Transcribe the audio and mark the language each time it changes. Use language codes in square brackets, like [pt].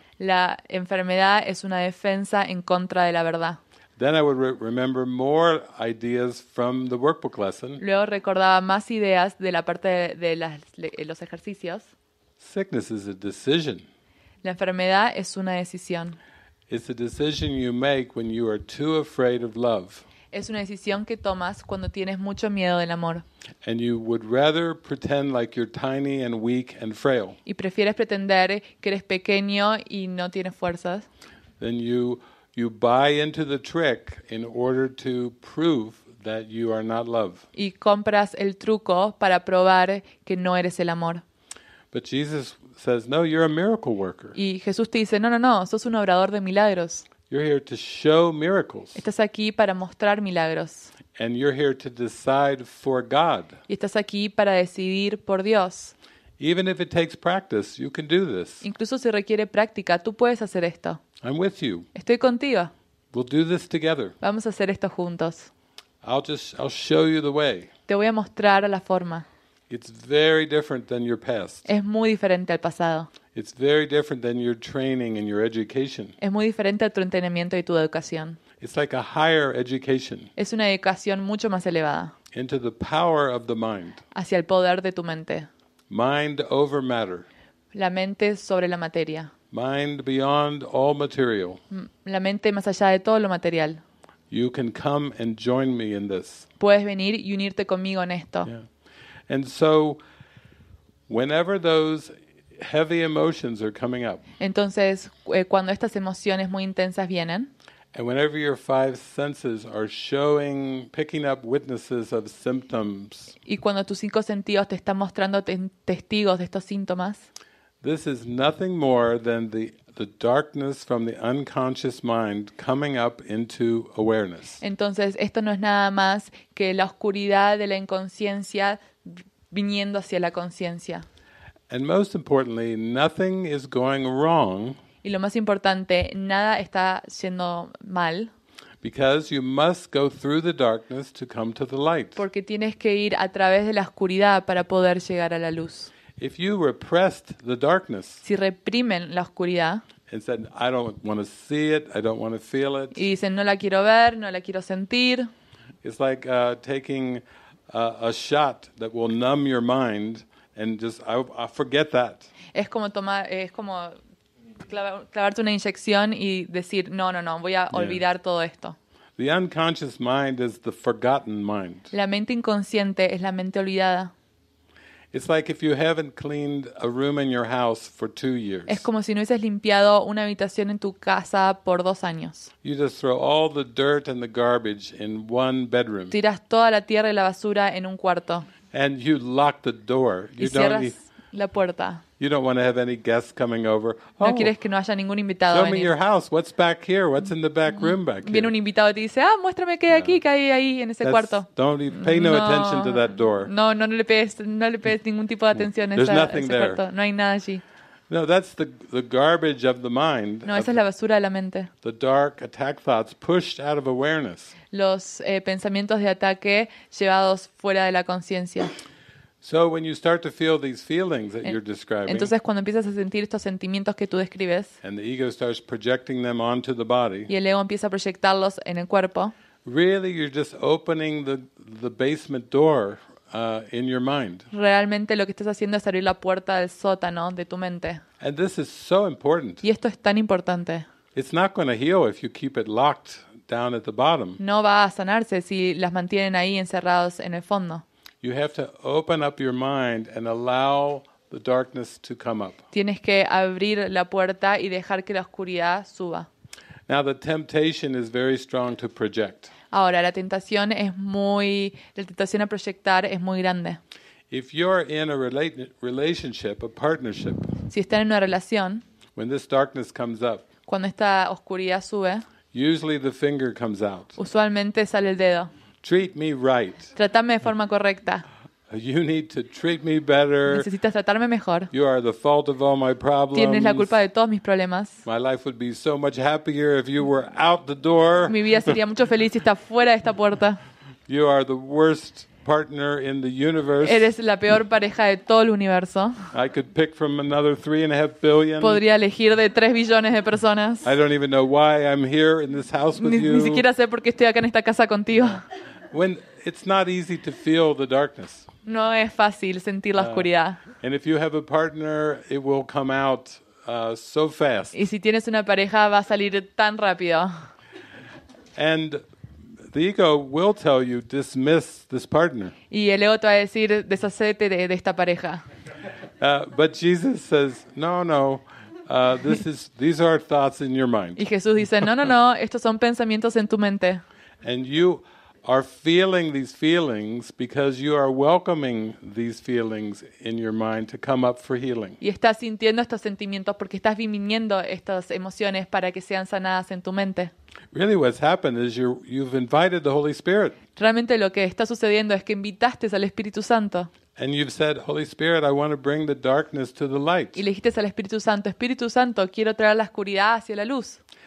[es] La enfermedad es una defensa en contra de la verdad. [en] Then I would remember more ideas from the workbook lesson. [es] Luego recordaba más ideas de la parte de los ejercicios. [en] Sickness is a decision. [es] La enfermedad es una decisión. [en] It's a decision you make when you are too afraid of love. [es] es una decisión que tomas cuando tienes mucho miedo del amor. [en] And you would rather pretend like you're tiny and weak and frail. [es] Y prefieres pretender que eres pequeño y no tienes fuerzas. [en] Then you buy into the trick in order to prove that you are not love. [es] Y compras el truco para probar que no eres el amor. [en] But Jesus says, "No, you're a miracle worker." [es] Y Jesús te dice, no, sos un obrador de milagros. [en] You're here to show miracles. [es] Estás aquí para mostrar milagros. [en] And you're here to decide for God. [es] Y estás aquí para decidir por Dios. [en] Even if it takes practice, you can do this. [es] Incluso si requiere práctica, tú puedes hacer esto. [en] I'm with you. [es] Estoy contigo. [en] We'll do this together. [es] Vamos a hacer esto juntos. [en] I'll show you the way. [es] Te voy a mostrar la forma. [en] It's very different than your past. [es] Es muy diferente al pasado. [en] It's very different than your training and your education. [es] Es muy diferente a tu entrenamiento y tu educación. [en] It's like a higher education. [es] Es una educación mucho más elevada. [en] Into the power of the mind. [es] Hacia el poder de tu mente. [en] Mind over matter. [es] La mente sobre la materia. [en] Mind beyond all material. [es] La mente más allá de todo lo material. [en] You can come and join me in this. [es] Puedes venir y unirte conmigo en esto. [en] Yeah. And so whenever those heavy emotions are coming up. [es] Entonces, cuando estas emociones muy intensas vienen. [en] And whenever your five senses are showing, picking up witnesses of symptoms. [es] Y cuando tus cinco sentidos te están mostrando testigos de estos síntomas. [en] This is nothing more than the darkness from the unconscious mind coming up into awareness. [es] Entonces, esto no es nada más que la oscuridad de la inconsciencia viniendo hacia la conciencia. [en] And most importantly, nothing is going wrong. [es] Y lo más importante, nada está yendo mal. [en] Because you must go through the darkness to come to the light. [es] Porque tienes que ir a través de la oscuridad para poder llegar a la luz. [en] If you repressed the darkness. [es] Si reprimen la oscuridad. [en] And said, I don't want to see it, I don't want to feel it. [es] Y dicen, no la quiero ver, no la quiero sentir. [en] It's like taking a shot that will numb your mind. And just I forget that. [es] Es como tomar, es como clavarte una inyección y decir no, voy a olvidar yeah. todo esto. [en] The unconscious mind is the forgotten mind. [es] La mente inconsciente es la mente olvidada. [en] It's like if you haven't cleaned a room in your house for 2 years. [es] Es como si no hubieses limpiado una habitación en tu casa por 2 años. [en] You just throw all the dirt and the garbage in one bedroom. [es] Tiras toda la tierra y la basura en un cuarto. [en] And you lock the door. You don't need, [es] la puerta. [en] You don't want to have any guests coming over. [es] Oh, no quieres que no haya ningún invitado. [en] Show me your house. What's back here? What's in the back room back here? [es] Viene un invitado y te dice, muéstrame qué hay aquí, qué hay ahí en ese cuarto. [en] Don't even pay no attention to that door. [es] No le pides ningún tipo de atención a ese cuarto. [en] There's nothing there. [es] No hay nada allí. [en] No, that's the garbage of the mind. [es] No, esa es la basura de la mente. [en] The dark attack thoughts pushed out of awareness. [es] Los pensamientos de ataque llevados fuera de la conciencia. [en] So when you start to feel these feelings that you're describing. [es] Entonces cuando empiezas a sentir estos sentimientos que tú describes. [en] And the ego starts projecting them onto the body. [es] Y el ego empieza a proyectarlos en el cuerpo. [en] Really, you're just opening the basement door. In your mind. [es] Realmente lo que estás haciendo es abrir la puerta del sótano de tu mente. [en] And this is so important. [es] Y esto es tan importante. [en] It's not going to heal if you keep it locked down at the bottom. [es] No va a sanarse si las mantienen ahí encerrados en el fondo. [en] You have to open up your mind and allow the darkness to come up. [es] Tienes que abrir la puerta y dejar que la oscuridad suba. [en] Now the temptation is very strong to project. [es] Ahora, la tentación a proyectar es muy grande. [en] If you're in a relationship, a partnership, [es] si están en una relación, [en] when this darkness comes up, [es] cuando esta oscuridad sube, [en] usually the finger comes out. [es] Usualmente sale el dedo. [en] Treat me right. [es] Trátame de forma correcta. [en] You need to treat me better. [es] Necesitas tratarme mejor. [en] You are the fault of all my problems. [es] Tienes la culpa de todos mis problemas. [en] My life would be so much happier if you were out the door. [es] Mi vida sería mucho feliz si está fuera de esta puerta. [en] You are the worst partner in the universe. [es] Eres la peor pareja de todo el universo. [en] I could pick from another 3.5 billion. [es] Podría elegir de 3 billones de personas. [en] I don't even know why I'm here in this house with you. [es] Ni siquiera sé por qué estoy acá en esta casa contigo. [en] When it's not easy to feel the darkness. [es] No es fácil sentir la oscuridad. [en] And if you have a partner, it will come out so fast. [es] Y si tienes una pareja, va a salir tan rápido. [en] And The ego will tell you, dismiss this partner. [es] Y el ego te va a decir, deshacete de esta pareja. [en] But Jesus says, no. These are thoughts in your mind. [es] Y Jesús dice, no, estos son pensamientos en tu mente. [en] And you are feeling these feelings because you are welcoming these feelings in your mind to come up for healing. [es] Y estás sintiendo estos sentimientos porque estás viniendo estas emociones para que sean sanadas en tu mente. [en] Really, what's happened is you've invited the Holy Spirit. [es] Realmente lo que está sucediendo es que invitaste al Espíritu Santo. [en] And you've said, Holy Spirit, I want to bring the darkness to the light. [es] Y le dijiste al Espíritu Santo, quiero traer la oscuridad hacia la luz.